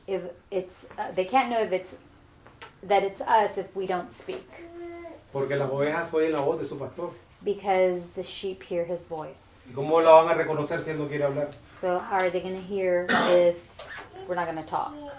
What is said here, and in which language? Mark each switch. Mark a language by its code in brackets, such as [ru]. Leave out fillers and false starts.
[en] If it's, they can't know if it's, that it's us if we don't speak. [es] Porque las ovejas oyen la voz de su pastor. [en] Because the sheep hear his voice. [es] ¿Y cómo lo van a reconocer si él no quiere hablar? [en] So how are they going to hear if we're not going to talk?